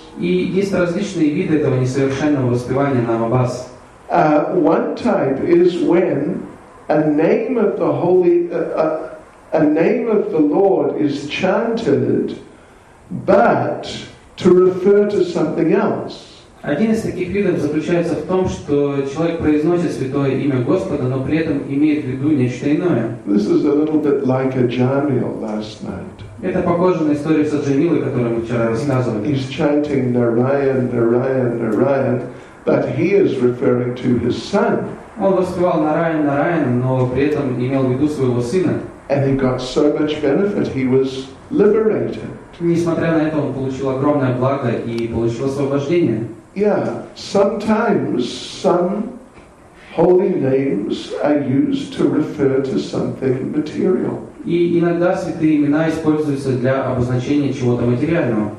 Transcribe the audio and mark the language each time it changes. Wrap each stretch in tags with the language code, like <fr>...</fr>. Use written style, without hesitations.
<ru>И есть различные виды этого несовершенного воспевания Намабас.</ru> <en>One type is when a name of the holy, a name of the Lord is chanted, but to refer to something else.</en> <ru>Один из таких видов заключается в том, что человек произносит святое имя Господа, но при этом имеет в виду нечто иное.</ru> <en>This is a little bit like a Jamil last night.</en> <ru>Это похоже на историю с Аджамилой, которую мы вчера рассказывали.</ru> <en>He's chanting Narayan, Narayan, Narayan, but he is referring to his son.</en> <ru>Он воспевал Нараян, Нараян, но при этом имел в виду своего сына.</ru> <en>And he got so much benefit, he was liberated.</en> <ru>Несмотря на это, он получил огромное благо и получил освобождение.</ru> <en>Yeah, sometimes some holy names are used to refer to something material.</en> <ru>И иногда святые имена используются для обозначения чего-то материального.</ru>